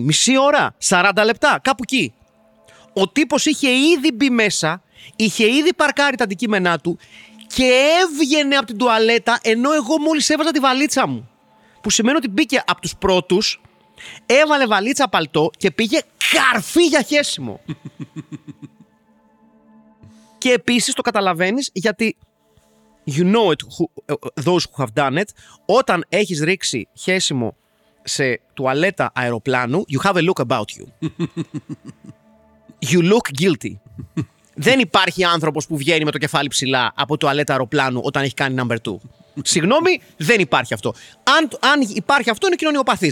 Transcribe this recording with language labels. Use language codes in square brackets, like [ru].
[el] Μισή ώρα, 40 λεπτά, κάπου εκεί. Ο τύπος είχε ήδη μπει μέσα, είχε ήδη παρκάρει τα αντικείμενά του και έβγαινε από την τουαλέτα ενώ εγώ μόλις έβαζα τη βαλίτσα μου. Που σημαίνει ότι μπήκε από τους πρώτους, έβαλε βαλίτσα παλτό και πήγε καρφί για χέσιμο. Και επίσης το καταλαβαίνεις γιατί... [en] You know it, those who have done it. [el] Όταν έχεις ρίξει χέσιμο σε τουαλέτα αεροπλάνου, [en] you have a look about you. You look guilty. [el] Δεν υπάρχει άνθρωπος που βγαίνει με το κεφάλι ψηλά από τουαλέτα αεροπλάνου όταν έχει κάνει [en] number two. [el] Συγγνώμη, δεν υπάρχει αυτό. Αν υπάρχει αυτό, είναι κοινωνιοπαθής.